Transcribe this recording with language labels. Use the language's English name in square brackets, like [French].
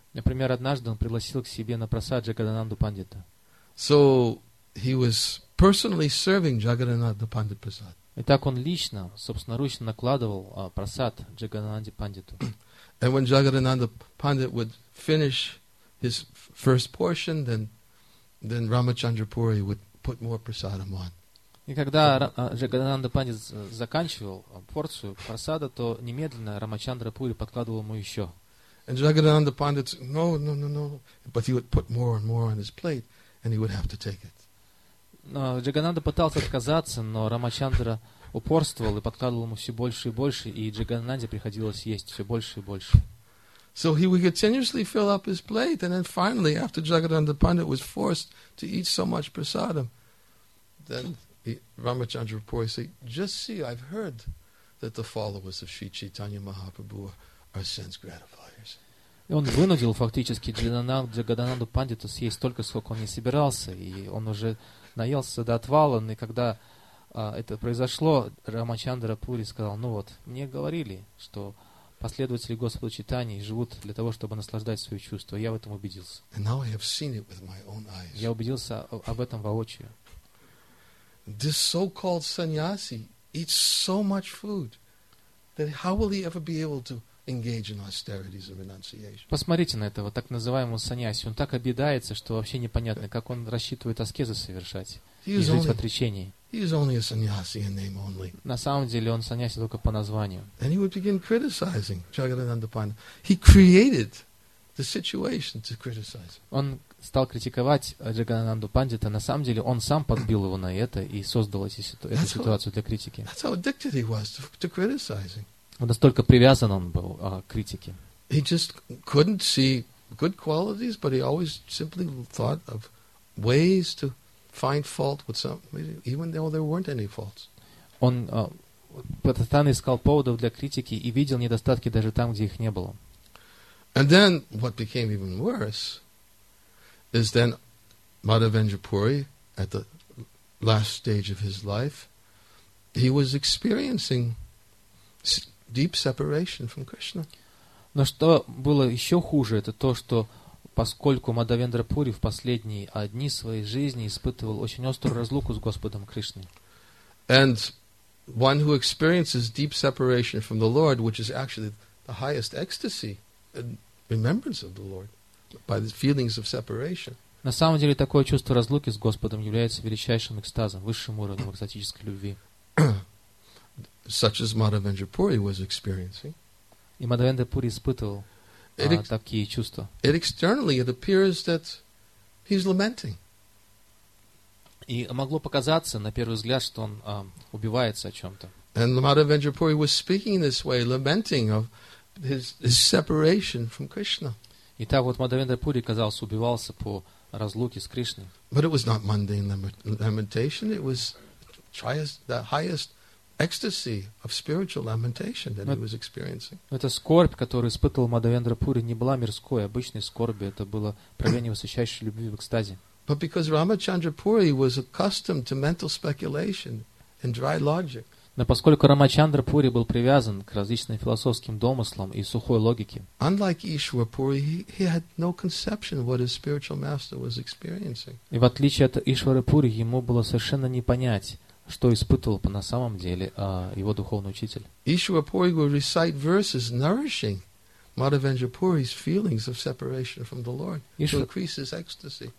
[Russian] Например, однажды он пригласил к себе на прасад Джагадананду Пандита. [English] So he was personally serving Jagannanda Pandit prasad. [Russian] Итак, он лично, собственноручно накладывал прасад Джагадананде Пандиту. [English] And when Jagannanda Pandit would finish his first portion, then Рамачандра Пури would put more prasadam on. [Russian] И когда Джагадананда Пандит заканчивал порцию прасада, то немедленно Рамачандра Пури подкладывал ему еще. [English] And Jagannanda Pandit said, no, but he would put more and more on his plate, and he would have to take it. [Russian] Джагананда пытался отказаться, но Рамачандра упорствовал и подкладывал ему все больше и больше, и Джагананде приходилось есть все больше и больше. [English] So he would continuously fill up his plate, and then finally, after Jagannanda Pandit was forced to eat so much prasadam, then Рамачандра Пури said, just see, I've heard that the followers of Sri Chaitanya Mahaprabhu are sense gratifiers. [Russian] И он вынудил фактически Джагадананду Пандиту съесть столько, сколько он не собирался, и он уже наелся до отвала, и когда это произошло, Рамачандра Пури сказал, мне говорили, что последователи Господа Читания живут для того, чтобы наслаждать свои чувства, я в этом убедился. [English] And now I have seen it with my own eyes. [Russian] Я убедился об этом воочию. [English] This so-called sannyasi eats so much food that how will he ever be able to engage in austerities and renunciation. [Russian] Посмотрите на этого так называемого саньяси. Он так обидается, что вообще непонятно, как он рассчитывает аскезы совершать и жить в отречении. [English] He is only a sannyasi in name only. [Russian] На самом деле он саньяси только по названию. [English] And he would begin criticizing Jagannanda Pandit. He created the situation to criticize. [Russian] Он стал критиковать Джагананду Пандита. На самом деле он сам подбил его на это и создал эту ситуацию для критики. [English] That's how addicted he was to criticizing. [Russian] Настолько привязан он был к критике. [English] He just couldn't see good qualities, but he always simply thought of ways to find fault with some, even though there weren't any faults. [Russian] Он постоянно искал поводов для критики и видел недостатки даже там, где их не было. [English] And then what became even worse is then Madhav Vendrapuri at the last stage of his life, he was experiencing deep separation from Krishna. [Russian] Но что было еще хуже, это то, что поскольку Мадхавендра Пури в последние дни своей жизни испытывал очень острую разлуку с Господом Кришной. [English] And one who experiences deep separation from the Lord, which is actually the highest ecstasy and remembrance of the Lord, by the feelings of separation. [Russian] На самом деле такое чувство разлуки с Господом является величайшим экстазом, высшим уровнем экстатической любви. [English] Such as Мадхавендра Пури was experiencing. [Russian] И Мадхавендра Пури испытывал такие чувства. [English] It externally it appears that he's lamenting. [Russian] И могло показаться на первый взгляд, что он убивается о чем-то. [English] And Мадхавендра Пури was speaking this way, lamenting of his separation from Krishna. [Russian] И так вот Мадхавендра Пури, казалось, убивался по разлуке с Кришной. [English] But it was not mundane lamentation. It was the highest ecstasy of spiritual lamentation that he was experiencing. [Russian] Эта скорбь, которую испытывал Мадхавендра Пури, не была мирской, обычной скорби. Это было проявление высочайшей любви в экстазе. [English] But because Рамачандра Пури was accustomed to mental speculation and dry logic. [Russian] Но поскольку Рамачандра Пури был привязан к различным философским домыслам и сухой логике. [English] Unlike Ишвар Пури, he had no conception what his spiritual master was experiencing. [Russian] И в отличие от Ишвара Пури, ему было совершенно не понять, что испытывал по на самом деле его духовный учитель. [English] Ишвар Пури would recite verses nourishing Madhavendra Puri's feelings of separation from the Lord to increase his ecstasy.